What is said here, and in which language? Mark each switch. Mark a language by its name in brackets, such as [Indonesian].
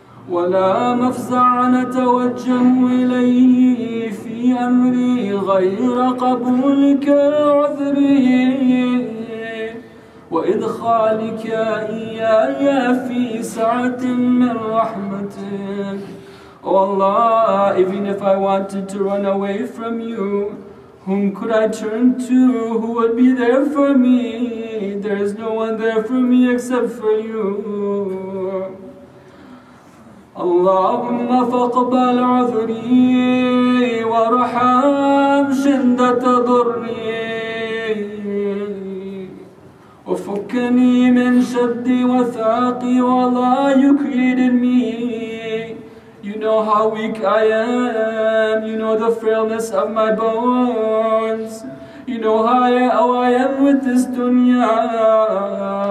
[Arabic] ولا مفزعا أتوجه إليه في أمري غير قبولك عذري وإدخالك إياي في سعة من رحمتك. [English] Oh Allah, even if I wanted to run away from you, whom could I turn to? Who would be there for me? There is no one there for me except for you. [Arabic] اللهم فاقبل عذري وارحم شدة ضري وفكني من شدي وثاقي ولا يكيد مني. [English] You know how weak I am, you know the frailness of my bones, you know how I am with this dunya.